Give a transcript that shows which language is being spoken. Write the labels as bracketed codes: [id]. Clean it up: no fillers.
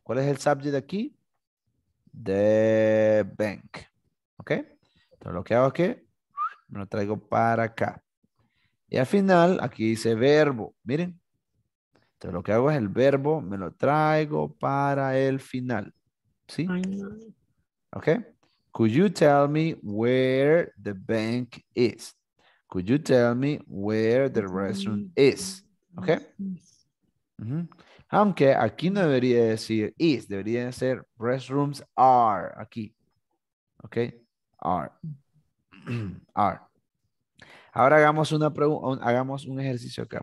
[es] ¿Cuál es el subject aquí? [en] The bank, [es] ¿ok? Entonces lo que hago es que me lo traigo para acá. Y al final, aquí dice verbo, miren. Entonces lo que hago es el verbo, me lo traigo para el final, ¿sí? [en] Okay. Could you tell me where the bank is? Could you tell me where the restaurant is? Okay. Mm-hmm. [es] Aunque aquí no debería decir is, debería ser [en] restrooms are [es] aquí. Okay. Are. Ahora hagamos una pregunta, hagamos un ejercicio acá.